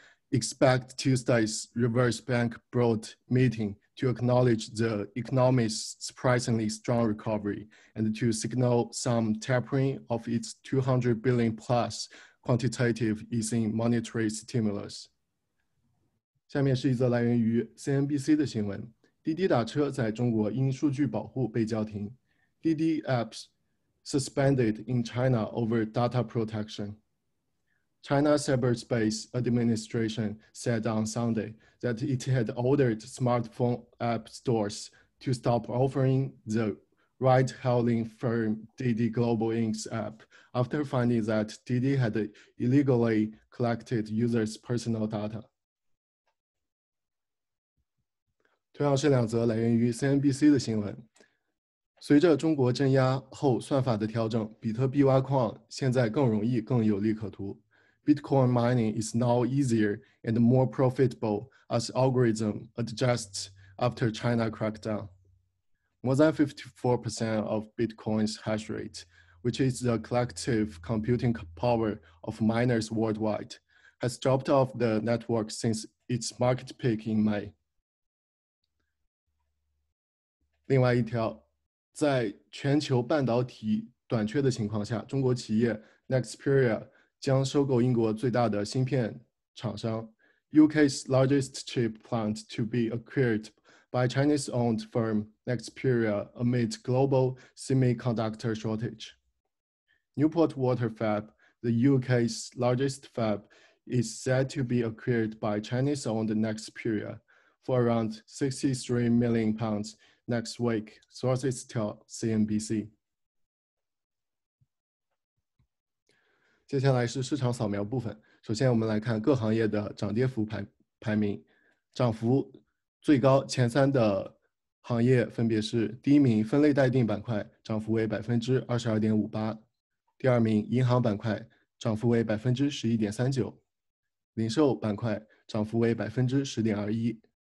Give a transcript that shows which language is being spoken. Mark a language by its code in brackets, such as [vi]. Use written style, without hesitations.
[en] Expect Tuesday's Reserve Bank Board meeting to acknowledge the economy's surprisingly strong recovery and to signal some tapering of its $200 billion plus quantitative easing monetary stimulus. [zh] 下面是一则来源于 CNBC 的新闻：滴滴打车在中国因数据保护被叫停。 [en] 滴滴 apps suspended in China over data protection. China Cyberspace Administration said on Sunday that it had ordered smartphone app stores to stop offering the ride-hailing firm Didi Global Inc.'s app after finding that Didi had illegally collected users' personal data. [zh] 同样是两则来源于 CNBC 的新闻。随着中国镇压后算法的调整，比特币挖矿现在更容易、更有利可图。 [en] Bitcoin mining is now easier and more profitable as algorithm adjusts after China crackdown. More than 54% of Bitcoin's hash rate, which is the collective computing power of miners worldwide, has dropped off the network since its market peak in May. [zh] 另外一条，在全球半导体短缺的情况下，中国企业 Nexperia 将收购英国最大的芯片厂商 [en] UK's largest chip plant to be acquired by Chinese-owned firm Nexperia amid global semiconductor shortage. Newport Water Fab, the UK's largest fab, is said to be acquired by Chinese-owned Nexperia for around £63 million next week, sources tell CNBC. [zh] 接下来是市场扫描部分。首先，我们来看各行业的涨跌幅排名。涨幅最高前三的行业分别是：第一名，分类待定板块，涨幅为22.58%；第二名，银行板块，涨幅为11.39%；零售板块，涨幅为10.21%。